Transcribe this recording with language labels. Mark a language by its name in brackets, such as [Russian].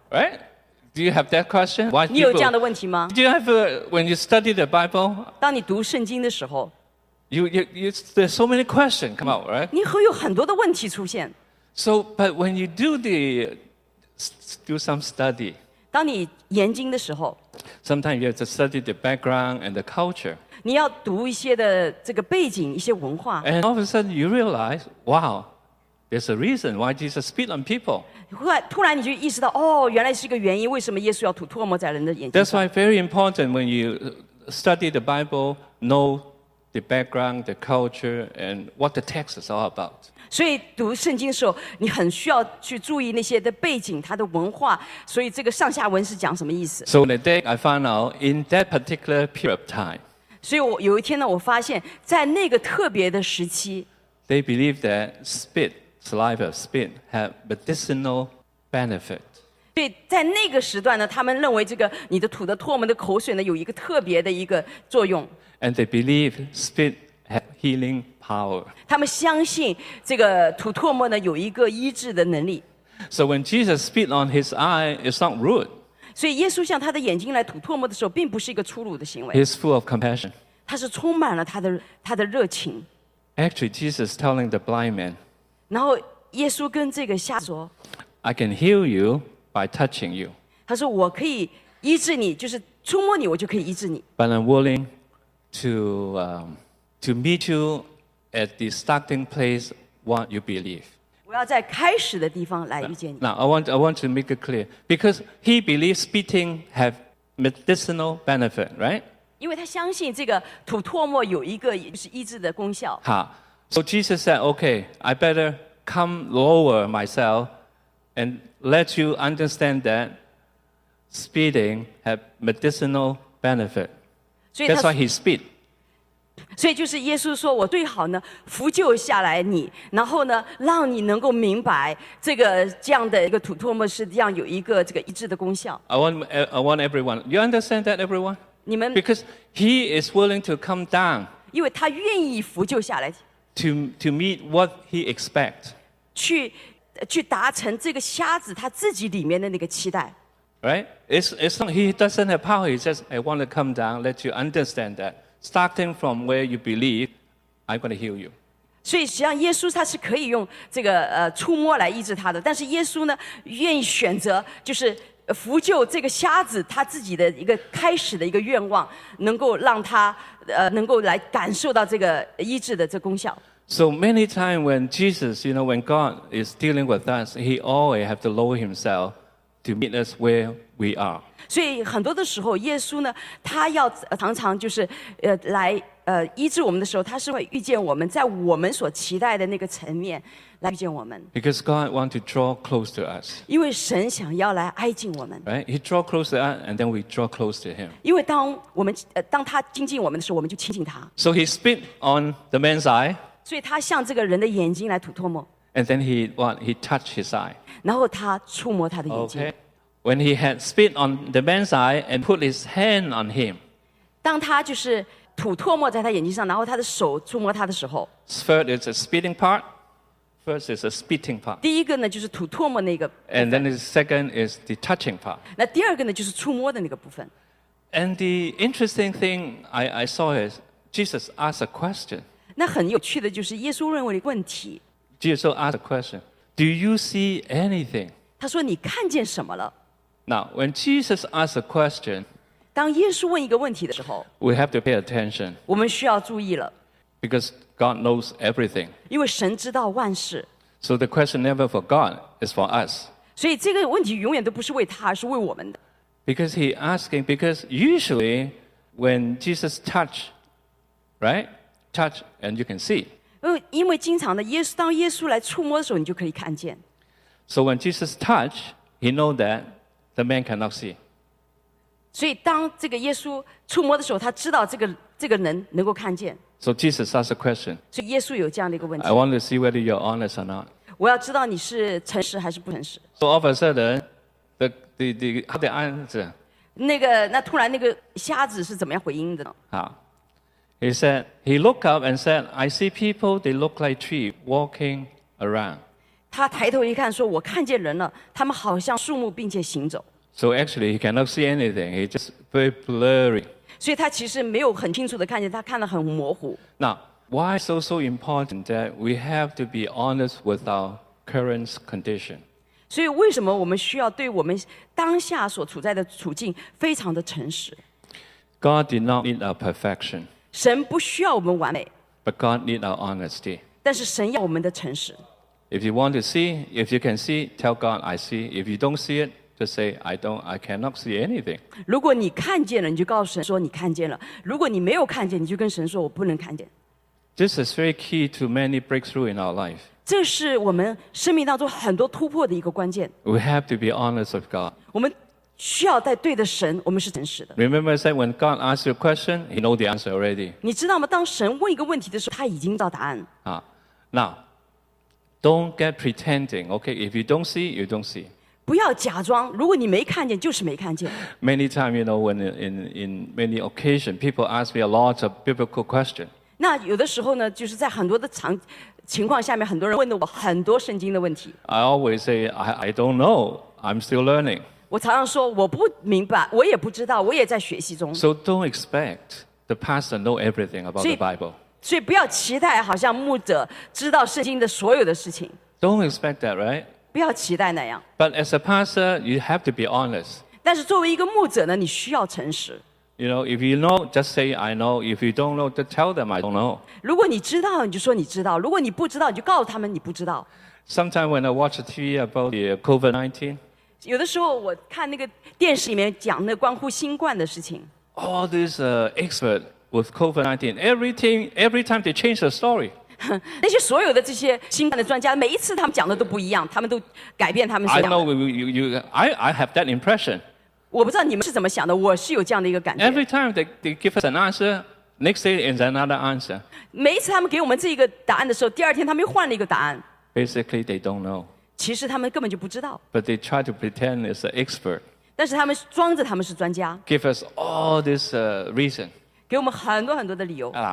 [English] Right? Do you have that question? Why people, [Chinese] 你有这样的问题吗？ [English] Do you have when you study the Bible? [Chinese] 当你读圣经的时候， [English] There's so many questions come out, right? [Chinese] 你会有很多的问题出现。 [English] So, but when you do some study, [Chinese] 当你研究的时候， [English] sometimes you have to study the background and the culture. [Chinese] 你要读一些的这个背景，一些文化。 [English] And all of a sudden you realize, wow, there's a reason why Jesus spit on people. [Chinese] 突然你就意识到，哦，原来是一个原因，为什么耶稣要吐唾沫在人的眼睛。 [English] That's why very important when you study the Bible, know the background, the culture, and what the text is all about. [Chinese] 所以读圣经的时候，你很需要去注意那些的背景，它的文化。所以这个上下文是讲什么意思？ [English] So the day I found out in that particular period of time. [Chinese] 所以我有一天呢，我发现，在那个特别的时期， [English] they believe that saliva spit, have medicinal benefit. [Chinese] 对，在那个时段呢，他们认为这个你的吐的唾沫的口水呢，有一个特别的一个作用。 [English] And they believe spit has healing power. [Chinese] 他们相信这个吐唾沫呢有一个医治的能力。 [English] So when Jesus spit on his eye, it's not rude. [Chinese] 所以耶稣向他的眼睛来吐唾沫的时候，并不是一个粗鲁的行为。 [English] He's full of compassion. [Chinese] 他是充满了他的热情。 [English] Actually, Jesus telling the blind man. [Chinese] 然后耶稣跟这个瞎子说 [English] ，I can heal you by touching you. [Chinese] 他说我可以医治你，就是触摸你，我就可以医治你。 [English] But I'm willing. To meet you at the starting place, what you believe. [Chinese] 我要在开始的地方来遇见你。 [English] Now I want to make it clear because he believes spitting have medicinal benefit, right? [Chinese] 因为他相信这个吐唾沫有一个是医治的功效。 [English] 好 ，So Jesus said, "Okay, I better come lower myself and let you understand that spitting have medicinal benefit." That's why he spit. [Chinese] 所以就是耶稣说我最好呢扶救下来你，然后呢让你能够明白这个这样的一个吐唾沫是这样有一个这个医治的功效。 [English] I want everyone. You understand that, everyone? [Chinese] 你们 [English] because he is willing to come down. [Chinese] 因为他愿意扶救下来。 [English] To meet what he expects. [Chinese] 去达成这个瞎子他自己里面的那个期待。 [English] Right? It's not, he doesn't have power. He says, I want to come down, let you understand that. Starting from where you believe, I'm going to heal you. [Chinese] 所以实际上耶稣他是可以用这个触摸来医治他的，但是耶稣呢愿意选择就是扶救这个瞎子，他自己的一个开始的一个愿望，能够让他能够来感受到这个医治的这功效。 [English] So many times when Jesus, you know, when God is dealing with us, He always have to lower Himself to meet us where we are. [Chinese] 所以很多的时候，耶稣呢，他要常常就是来医治我们的时候，他是会遇见我们在我们所期待的那个层面来遇见我们。 [English] Because God want to draw close to us. [Chinese] 因为神想要来挨近我们。 [English] Right, He draw close to us, and then we draw close to Him. [Chinese] 因为当我们当他亲近我们的时候，我们就亲近他。 [English] So He spit on the man's eye. [Chinese] 所以他向这个人的眼睛来吐唾沫。 [English] And then he touched his eye. [Chinese] 然后他触摸他的眼睛。 [English] Okay. When he had spit on the man's eye and put his hand on him. [Chinese] 当他就是吐唾沫在他眼睛上，然后他的手触摸他的时候。 [English] First is a spitting part. First is a spitting part. [Chinese] 第一个呢就是吐唾沫那个。 [English] And then the second is the touching part. [Chinese] 那第二个呢就是触摸的那个部分。 [English] And the interesting thing I saw is Jesus asked a question. [Chinese] 那很有趣的就是耶稣问了一个问题。 [English] Jesus asked a question. Do you see anything? [Chinese] 他说你看见什么了？ [English] Now, when Jesus asks a question, [Chinese] 当耶稣问一个问题的时候， [English] we have to pay attention. [Chinese] 我们需要注意了。 [English] Because God knows everything. [Chinese] 因为神知道万事。 [English] So the question never for God, it's for us. [Chinese] 所以这个问题永远都不是为他，是为我们的。 [English] Because he asking, because usually when Jesus touch, right? Touch and you can see. [Chinese] 因为经常的耶稣，当耶稣来触摸的时候，你就可以看见。 [English] So when Jesus touch, he know that the man cannot see. [Chinese] 所以当这个耶稣触摸的时候，他知道这个人能够看见。 [English] So Jesus asked a question. [Chinese] 所以耶稣有这样的一个问题。 [English] I want to see whether you're honest or not. [Chinese] 我要知道你是诚实还是不诚实。 [English] So all of a sudden, the answer. [Chinese] 那突然那个瞎子是怎么样回应的呢？好。 [English] He said, he looked up and said, I see people, they look like trees walking around. [Chinese] 他抬头一看说我看见人了，他们好像树木并且行走。 [English] So actually he cannot see anything, he just very blurry. [Chinese] 所以他其实没有很清楚的看见，他看得很模糊。 [English] Now, why is so important that we have to be honest with our current condition? [Chinese] 所以为什么我们需要对我们当下所处在的处境非常的诚实？ [English] God did not need our perfection. [Chinese] 神不需要我们完美。 [English] But God need our honesty. [Chinese] 但是神要我们的诚实。 [English] If you want to see, if you can see, tell God I see. If you don't see it, just say I cannot see anything. [Chinese] 如果你看见了，你就告诉神说你看见了；如果你没有看见，你就跟神说我不能看见。 [English] This is very key to many breakthrough in our life. [Chinese] 这是我们生命当中很多突破的一个关键。 [English] We have to be honest with God. [Chinese] 我们需要在对的神，我们是诚实的。 [English] Remember, I said when God asks you a question, He knows the answer already. [Chinese] 你知道吗？当神问一个问题的时候，他已经知道答案。 [English] 啊 ，Now. Don't get pretending, okay? If you don't see, you don't see. [Chinese] 不要假装，如果你没看见，就是没看见。 [English] Many times, you know, when in many occasions, people ask me a lot of biblical questions. [Chinese] 那有的时候呢，就是在很多的情况下面，很多人问了我很多圣经的问题。 [English] I always say, I don't know, I'm still learning. [Chinese] 我常常说，我不明白，我也不知道，我也在学习中。 [English] So don't expect the pastor know everything about the Bible. [Chinese] 所以不要期待好像牧者知道圣经的所有的事情。 [English] Don't expect that, right? [Chinese] 不要期待那样。 [English] But as a pastor, you have to be honest. [Chinese] 但是作为一个牧者呢，你需要诚实。 [English] You know, if you know, just say I know. If you don't know, just tell them I don't know. [Chinese] 如果你知道，你就说你知道；如果你不知道，你就告诉他们你不知道。 [English] Sometimes when I watch the TV about the COVID-19, [Chinese] 有的时候我看那个电视里面讲那关乎新冠的事情。 [English] All these experts. With COVID-19, every time they change the story. [Chinese] 那些所有的这些新冠的专家，每一次他们讲的都不一样，他们都改变他们想的。 [English] I know I have that impression. [Chinese] 我不知道你们是怎么想的，我是有这样的一个感觉。 [English] Every time they give us an answer, next day is another answer. [Chinese] 每一次他们给我们这个答案的时候，第二天他们又换了一个答案。 [English] Basically, they don't know. [Chinese] 其实他们根本就不知道。 [English] But they try to pretend it's an expert. [Chinese] 但是他们装着他们是专家。 [English] Give us all this reason. [Chinese] 给我们很多很多的理由。